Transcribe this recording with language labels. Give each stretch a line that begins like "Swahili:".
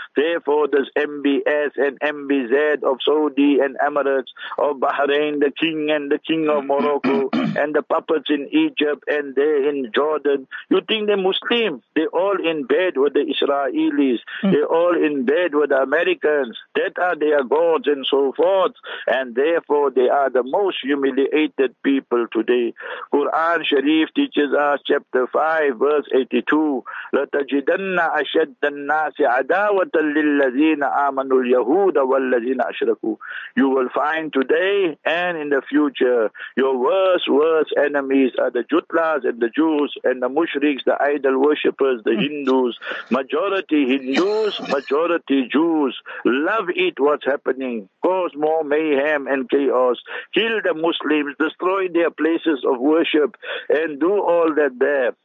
English: Therefore, this MBS and MBZ of Saudi and Emirates, of Bahrain, the king and the king of Morocco, and the puppets in Egypt and there in Jordan, you think they're Muslim? They're all in bed with the Israelis. They're all in bed with the Americans. That are their gods and so forth. And therefore, they are the most humiliated people today. Quran Sharif teaches us, chapter 5, verse 82,
Arabic: لَتَجِدَنَّ أَشَدَّ النَّاسِ عَدَاوَةً لِلَّذِينَ آمَنُوا الْيَهُودَ وَالَّذِينَ أَشْرَكُوا.
English: You will find today and in the future, your worst enemies are the Jutlas and the Jews and the Mushriks, the idol worshippers, the Hindus. Majority Hindus, majority Jews. Love it, what's happening. Cause more mayhem and chaos. Kill the Muslims, destroy their places of worship, and do all that there.